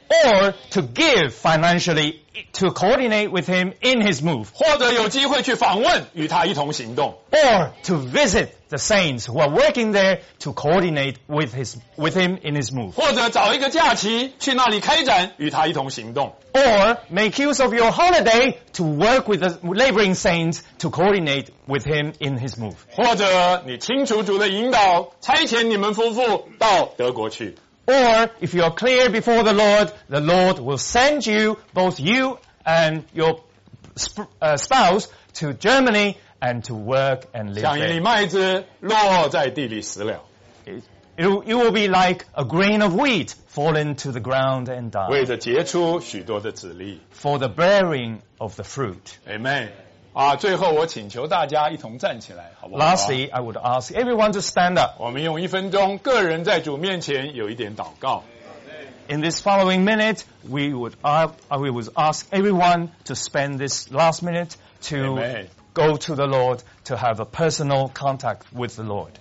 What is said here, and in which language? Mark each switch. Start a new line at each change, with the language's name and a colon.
English: Or to give financially to coordinate with Him in His move.
Chinese: 或者有机会去访问与他一同行动。
English: Or to visit the saints who are working there to coordinate with him in his move.
Chinese: 或者找一个假期去那里开展与他一同行动。
English: Or make use of your holiday to work with the laboring saints to coordinate with him in his move.
Chinese: 或者你清楚主的引导差遣你们夫妇到德国去。
English: Or if you are clear before the Lord will send you, both you and your spouse to Germany and to work and live there.
Chinese: 像一粒麦子落在地里死了。
English: It will be like a grain of wheat falling to the ground and die.
Chinese: 为着结出许多的籽粒。
English: For the bearing of the fruit. Amen.
Chinese: 啊，最后我请求大家一同站起来，好不好
English: ？Lastly, I would ask everyone to stand up.
Chinese: 我们用一分钟，个人在主面前有一点祷告。
English: In this following minute, we would ask everyone to spend this last minute to Amen. Go to the Lord, to have a personal contact with the Lord.